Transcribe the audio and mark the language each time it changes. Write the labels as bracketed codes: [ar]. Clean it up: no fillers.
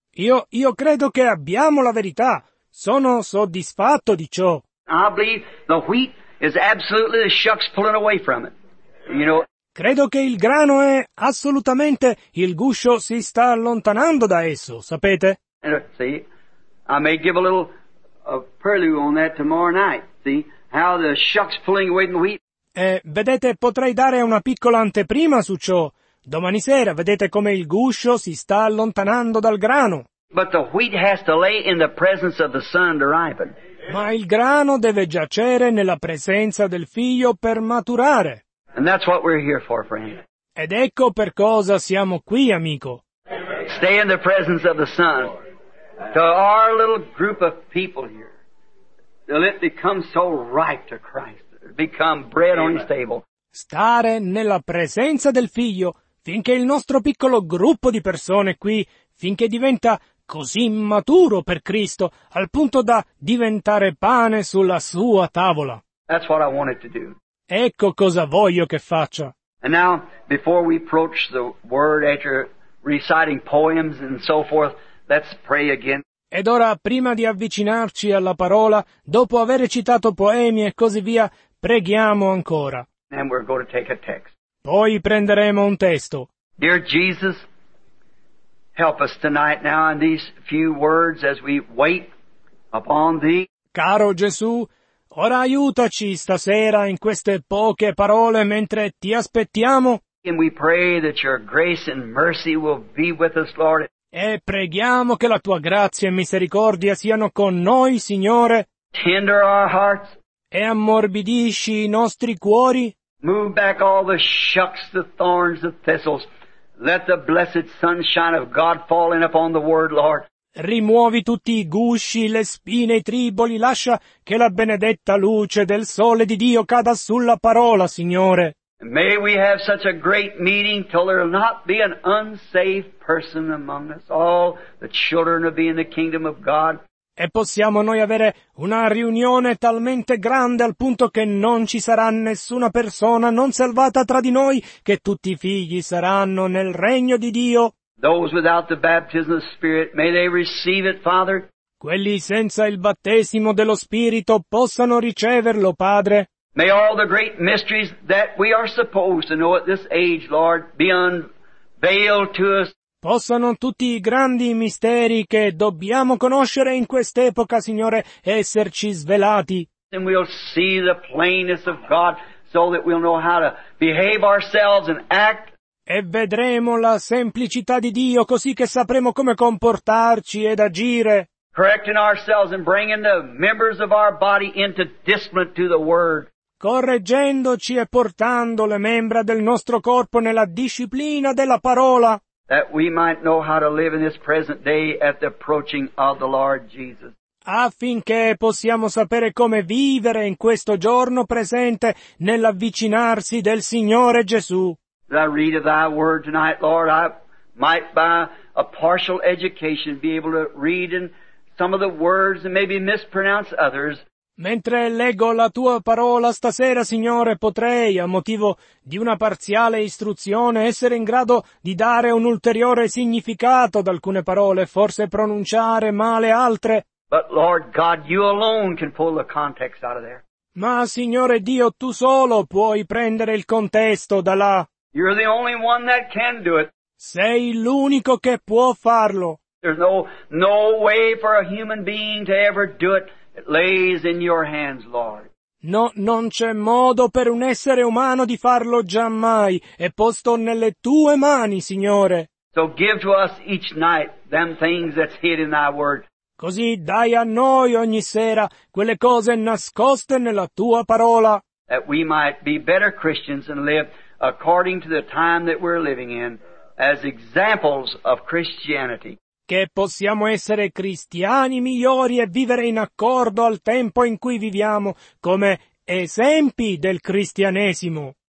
[it] Io credo che abbiamo la verità. Sono soddisfatto di ciò. [en] I believe the wheat is absolutely the shucks pulling away from it. You know... [it] Credo che il grano è assolutamente il guscio si sta allontanando da esso, sapete? [en] See, I may give a little prelude on that tomorrow night. See how the shucks pulling away the wheat. [it] Vedete, potrei dare una piccola anteprima su ciò. Domani sera vedete come il guscio si sta allontanando dal grano. [en] But the wheat has to lay in the presence of the sun to ripen. [it] Ma il grano deve giacere nella presenza del figlio per maturare. [en] And that's what we're here for, friend. [it] Ed ecco per cosa siamo qui, amico. [en] Stay in the presence of the Son. To our little group of people here, till it becomes so ripe to Christ, become bread on his table. [it] Stare nella presenza del Figlio finché il nostro piccolo gruppo di persone qui, finché diventa così maturo per Cristo, al punto da diventare pane sulla sua tavola. [en] That's what I wanted to do. [it] Ecco cosa voglio che faccia. [en] And now, before we approach the word after reciting poems and so forth, let's pray again. [it] Ed ora, prima di avvicinarci alla parola, dopo aver citato poemi e così via, preghiamo ancora. [en] And we're going to take a text. [it] Poi prenderemo un testo. [en] Dear Jesus, help us tonight now in these few words as we wait upon Thee. [it] Caro Gesù, ora aiutaci stasera in queste poche parole mentre ti aspettiamo. [en] And we pray that your grace and mercy will be with us, Lord. [it] E preghiamo che la tua grazia e misericordia siano con noi, Signore. [en] Tender our hearts. [it] E ammorbidisci i nostri cuori. [en] Move back all the shucks, the thorns, the thistles. Let the blessed sunshine of God fall in upon the word, Lord. [it] Rimuovi tutti i gusci, le spine, i triboli, lascia che la benedetta luce del sole di Dio cada sulla parola, Signore. [en] May we have such a great meeting till there will not be an unsaved person among us. All the children will be in the kingdom of God. [it] E possiamo noi avere una riunione talmente grande al punto che non ci sarà nessuna persona non salvata tra di noi, che tutti i figli saranno nel regno di Dio. [en] Those without the baptism of the Spirit, may they receive it, Father. [it] Quelli senza il battesimo dello Spirito possano riceverlo, Padre. [en] May all the great mysteries that we are supposed to know at this age, Lord, be unveiled to us. [it] Possano tutti i grandi misteri che dobbiamo conoscere in quest'epoca, Signore, esserci svelati. [en] And we'll see the plainness of God so that we'll know how to behave ourselves and act. [it] E vedremo la semplicità di Dio così che sapremo come comportarci ed agire. [en] Correcting ourselves and bringing the members of our body into discipline to the word. [it] Correggendoci e portando le membra del nostro corpo nella disciplina della parola. [en] That we might know how to live in this present day at the approaching of the Lord Jesus. [it] Affinché possiamo sapere come vivere in questo giorno presente nell'avvicinarsi del Signore Gesù. [en] As I read of thy word tonight, Lord, I might by a partial education, be able to read in some of the words and maybe mispronounce others. [it] Mentre leggo la tua parola stasera, Signore, potrei, a motivo di una parziale istruzione, essere in grado di dare un ulteriore significato ad alcune parole, forse pronunciare male altre. [en] But Lord God, you alone can pull the context out of there. [it] Ma Signore Dio, tu solo puoi prendere il contesto da là. [en] You're the only one that can do it. [it] Sei l'unico che può farlo. [en] There's no way for a human being to ever do it. It lays in your hands, Lord. [it] No, non c'è modo per un essere umano di farlo giammai. È posto nelle tue mani, Signore. [en] So give to us each night them things that's hid in thy word. [it] Così dai a noi ogni sera quelle cose nascoste nella tua parola. [en] That we might be better Christians and live according to the time that we're living in as examples of Christianity. [it] Che possiamo essere cristiani migliori e vivere in accordo al tempo in cui viviamo come esempi del cristianesimo.